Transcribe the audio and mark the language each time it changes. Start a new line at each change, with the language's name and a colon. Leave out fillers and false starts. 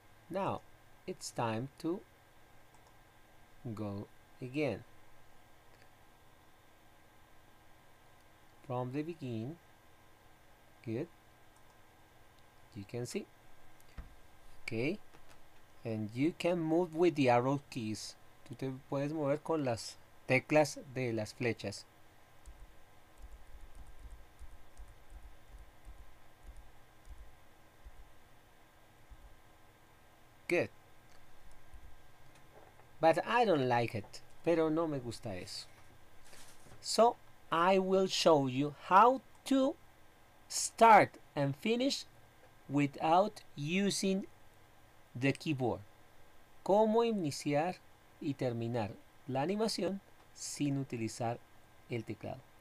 English: Now it's time to go again from the beginning. Good. You can see. Okay. And you can move with the arrow keys.
Spanish: Tú te puedes mover con las teclas de las flechas.
English: Good. But I don't like it.
Spanish: Pero no me gusta eso.
English: So I will show you how to start and finish without using the keyboard.
Spanish: Cómo iniciar y terminar la animación sin utilizar el teclado.